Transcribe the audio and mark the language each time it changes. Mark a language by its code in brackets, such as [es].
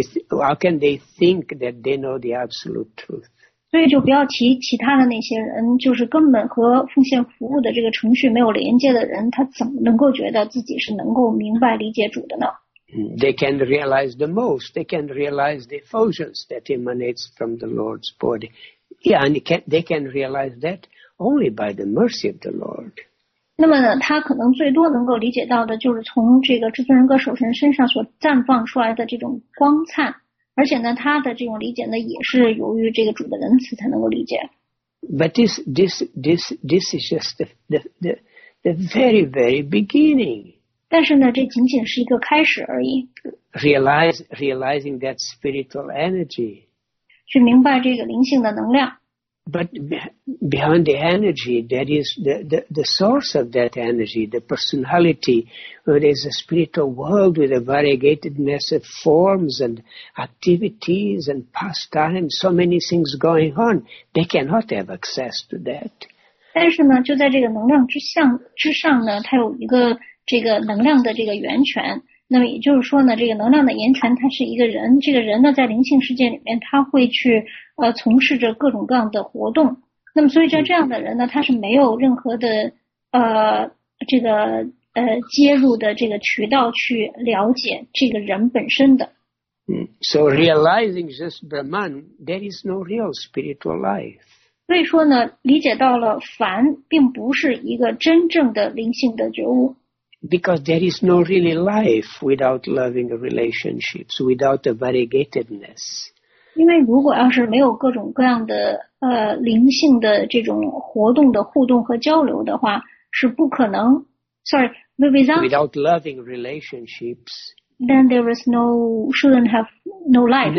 [en] How can they think that they know the absolute truth? [zh] 所以就不要提其他的那些人，就是根本和奉献服务的这个程序没有连接的人，他怎么能够觉得自己是能够明白理解主的呢？ [en] They can realize the most. They can realize the effulgence that emanates from the Lord's body. Yeah, and they can realize that only by the mercy of the Lord. [zh] 那么呢，他可能最多能够理解到的就是从这个至尊人格首身身上所绽放出来的这种光灿。而且呢，他的这种理解呢，也是由于这个主的仁慈才能够理解。 [en] But this is just the very very beginning. [zh] 但是呢，这仅仅是一个开始而已。 [en] Realizing that spiritual energy. [zh] 去明白这个灵性的能量。 [en] But behind the energy, that is the source of that energy, the personality, there is a spiritual world with a variegatedness of forms and activities and pastimes, so many things going on. They cannot have access to that. [zh] 但是呢，就在这个能量之上呢，它有一个这个能量的这个源泉。那么也就是说呢，这个能量的源泉，它是一个人。这个人呢，在灵性世界里面，他会去从事着各种各样的活动。那么，所以像这样的人呢，他是没有任何的这个接入的这个渠道去了解这个人本身的。 [en] So realizing this Brahman, there is no real spiritual life. [zh] 所以说呢，理解到了凡并不是一个真正的灵性的觉悟。 [en] Because there is no really life without loving relationships, without the variegatedness. [zh] 因为如果要是没有各种各样的灵性的这种活动的互动和交流的话，是不可能。 [en] Sorry, without loving relationships, then there is no shouldn't have no life.